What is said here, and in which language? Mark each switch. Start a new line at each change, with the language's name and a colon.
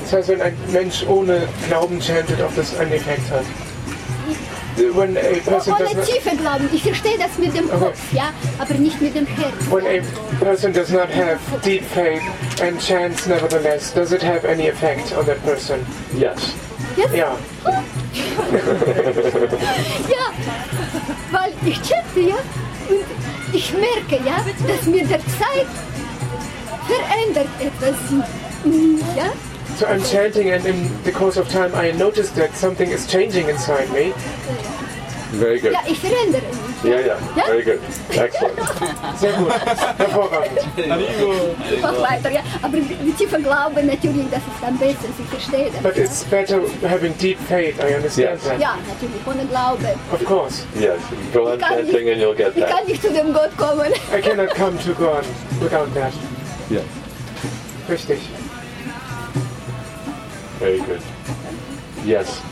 German: Das heißt, wenn ein Mensch ohne Glauben chantet, ob das einen Effekt hat?
English: When a person
German: ohne tiefe Glauben. Ich verstehe das mit dem Kopf, okay. Ja, aber nicht mit dem Herz.
English: When a person does not have deep faith and chants nevertheless, does it have any effect on that person? Yes. Yes?
German: Ja. Ja, weil ich chante, ja, und ich merke, ja, dass mir der Zeit verändert etwas, ja?
English: So I'm chanting and in the course of time I noticed that something is changing inside me. Very good.
German: Ja, ich verändere mich. Ja, ja,
English: very good. Excellent.
German: Sehr gut. Hervorragend. Mach weiter, ja. Aber die tiefe Glaube natürlich, das ist am besten, ich verstehe das.
English: But it's better having deep faith, I understand that.
German: Ja, natürlich, ohne Glaube.
English: Of course. Yes, go on chanting and you'll get that.
German: Ich kann nicht zu dem Gott kommen.
English: I cannot come to God without that. Yeah.
German: Richtig.
English: Very good. Yes.